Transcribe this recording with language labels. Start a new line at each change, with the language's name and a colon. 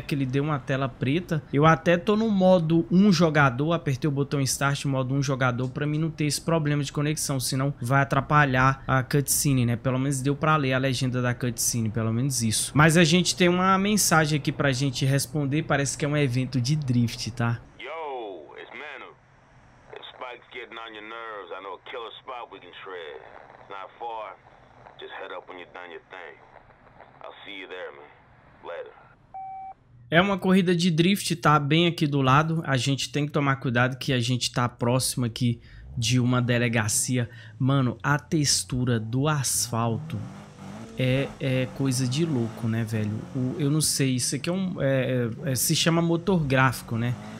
Portuguese: Que ele deu uma tela preta. Eu até tô no modo um jogador. Apertei o botão start, modo um jogador, pra mim não ter esse problema de conexão. Senão vai atrapalhar a cutscene, né? Pelo menos deu pra ler a legenda da cutscene, pelo menos isso. Mas a gente tem uma mensagem aqui pra gente responder. Parece que é um evento de drift, tá?
English: Yo, it's Manu. If Spike's getting on your nerves, I know a killer spot we can shred. It's not far. Just head up when you've done your thing. I'll see you there, man. Later.
Portuguese: É uma corrida de drift, tá bem aqui do lado. A gente tem que tomar cuidado que a gente tá próximo aqui de uma delegacia. Mano, a textura do asfalto é coisa de louco, né, velho? Eu não sei, isso aqui se chama motor gráfico, né?